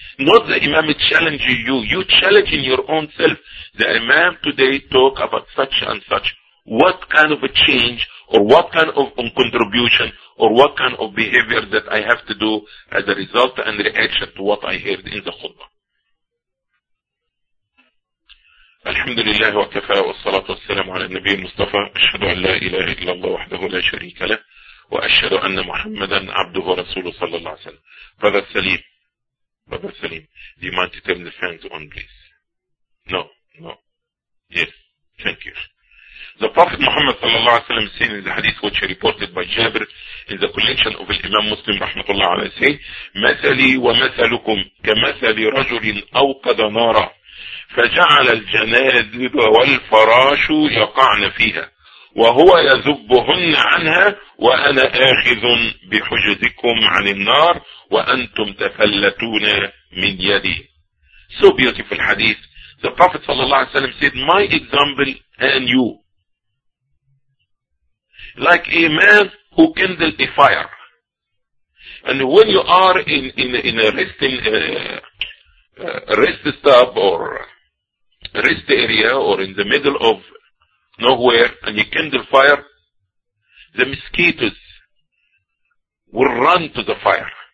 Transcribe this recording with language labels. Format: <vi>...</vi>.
<en>Not the Imam is challenging you, you challenging your own self. The Imam today talk about such and such. What kind of a change, or what kind of contribution, or what kind of behavior that I have to do as a result and reaction to what I heard in the khutbah.</en> <ar>الحمد لله وكفى والصلاة والسلام على النبي المصطفى أشهد أن لا إله إلا الله وحده لا شريك له وأشهد أن محمدا عبده ورسوله صلى الله عليه وسلم.</ar> <en>Brother Salim, do you mind to turn the fans on please? No. Yes, thank you. The Prophet Muhammad</en> <ar>صلى الله عليه وسلم</ar> <en>seen in the hadith which are reported by Jabir in the collection of Imam Muslim</en> <ar>رحمة الله عليه</ar> <en>say,</en> <ar>مثلي ومثلكم كمثل رجل أوقد نارا فجعل الجنادب والفراش يقعن فيها وهو يذبهن عنها وأنا آخذ بحجزكم عن النار وأنتم تفلتون من يدي.</ar> <en>So beautiful hadith. The Prophet ﷺ said, my example and you. like a man who kindled a fire. And when you are in a rest stop or rest area or in the middle of nowhere and you kindle fire, the mosquitoes will run to the fire.</en>